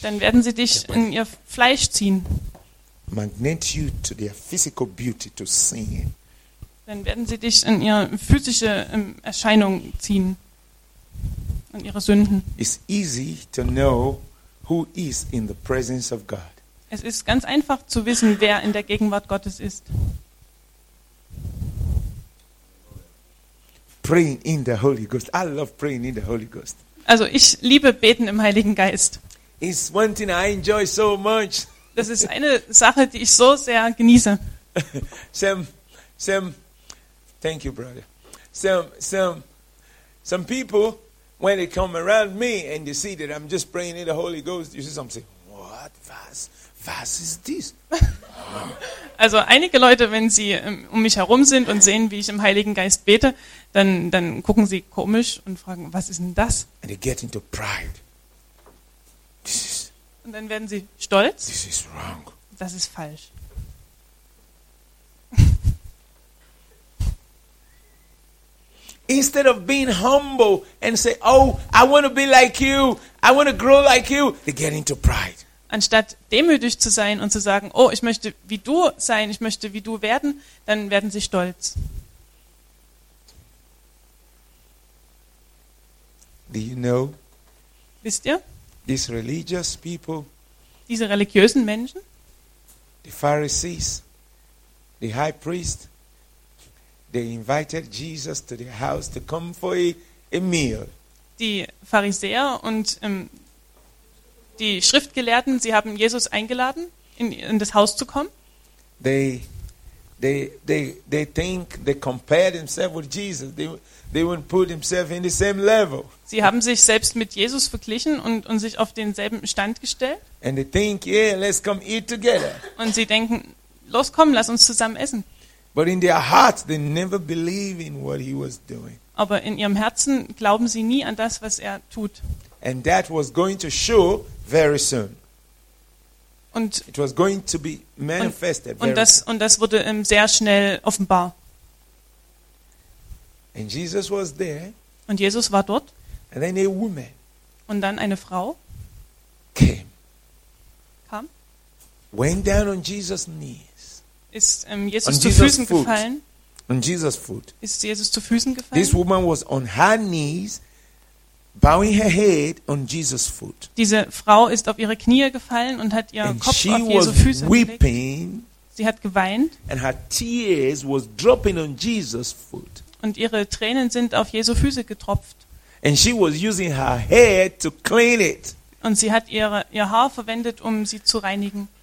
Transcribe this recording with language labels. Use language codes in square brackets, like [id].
[de] Dann werden sie dich in ihr Fleisch ziehen. [en] Magnet you to their physical beauty to sin. [de] Dann werden sie dich in ihre physische Erscheinung ziehen. In ihre Sünden. [en] It's easy to know who is in the presence of God. [de] Es ist ganz einfach zu wissen, wer in der Gegenwart Gottes ist. [en] Praying in the Holy Ghost. I love praying in the Holy Ghost. [de] Also ich liebe beten im Heiligen Geist. [en] It's one thing I enjoy so much. [de] Das ist eine Sache, die ich so sehr genieße. [en] Sam, thank you, brother. Some people, when they come around me and they see that I'm just praying in the Holy Ghost, you see some say, "What fast? [de] Was ist dies?" Also einige Leute, wenn sie um mich herum sind und sehen, wie ich im Heiligen Geist bete, dann gucken sie komisch und fragen, was ist denn das? [en] And they get into pride. [de] Und dann werden sie stolz. [en] This is wrong. [de] Das ist falsch. [en] Instead of being humble and say, "Oh, I want to be like you, I want to grow like you," they get into pride. [de] Anstatt demütig zu sein und zu sagen, oh, ich möchte wie du sein, ich möchte wie du werden, dann werden sie stolz. [en] Do you know? [de] Wisst ihr? [en] These religious people, [de] diese religiösen Menschen, [en] the Pharisees, the high priest, they invited Jesus to their house to come for a meal. [de] Die Pharisäer und die Schriftgelehrten, sie haben Jesus eingeladen, in das Haus zu kommen. [en] They think they compare themselves with Jesus. They wouldn't put themselves in the same level. [de] Sie haben sich selbst mit Jesus verglichen und sich auf denselben Stand gestellt. [en] And they think, "Yeah, let's come eat together." [de] Und sie denken, los komm, lass uns zusammen essen. [en] But in their hearts, they never believe in what he was doing. [de] Aber in ihrem Herzen glauben sie nie an das, was er tut. [en] And that was going to show very soon. [de] Und [en] it was going to be manifested. [de] Und das wurde sehr schnell offenbar. [en] And Jesus was there. [de] Und Jesus war dort. [en] And then a woman. [de] Und dann eine Frau. Kam. [en] Went down on Jesus' knees. [de] Ist Jesus zu Füßen gefallen? [en] On Jesus' foot. [de] Ist Jesus zu Füßen gefallen? [en] This woman was on her knees. Bowing her head on Jesus' foot. [de] Diese Frau ist auf ihre Knie gefallen und hat ihren Kopf auf Jesu Füße gelegt. Sie hat geweint. [en] And her tears was dropping on Jesus' foot. [de] Und ihre Tränen sind auf Jesu Füße getropft. [en] And she was using her head to clean it. [de] Und sie hat ihr Haar verwendet, um sie zu reinigen.